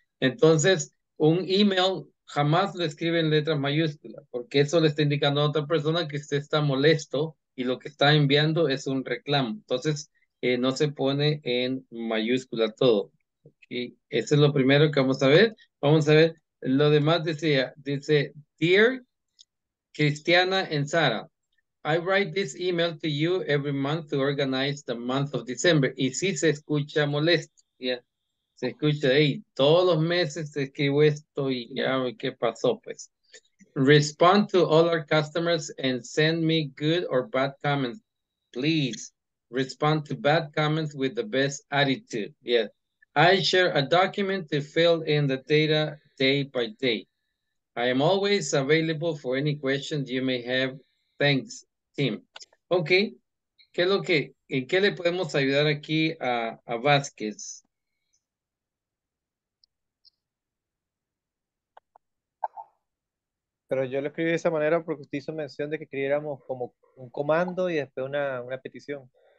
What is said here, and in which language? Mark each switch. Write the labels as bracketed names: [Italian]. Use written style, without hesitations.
[Spanish] Entonces, un email jamás lo escribe en letra mayúscula, porque eso le está indicando a otra persona que usted está molesto y lo que está enviando es un reclamo. Entonces, no se pone en mayúscula todo. ¿Okay? Eso es lo primero que vamos a ver. Vamos a ver, lo demás decía, dice, dear [English] Cristiana and Sara, I write this email to you every month to organize the month of December. [Spanish] Y si se escucha molesto, yeah. Se escucha, hey, todos los meses escribo esto y ya, ¿qué pasó, pues? [English] Respond to all our customers and send me good or bad comments. Please respond to bad comments with the best attitude. Yes. I share a document to fill in the data day by day. I am always available for any questions you may have. Thanks, team. Okay. [Spanish] ¿Qué es lo que, en qué le podemos ayudar aquí a Vázquez? Pero yo lo escribí de esa manera porque usted hizo mención de que escribiéramos como un comando y después una petición.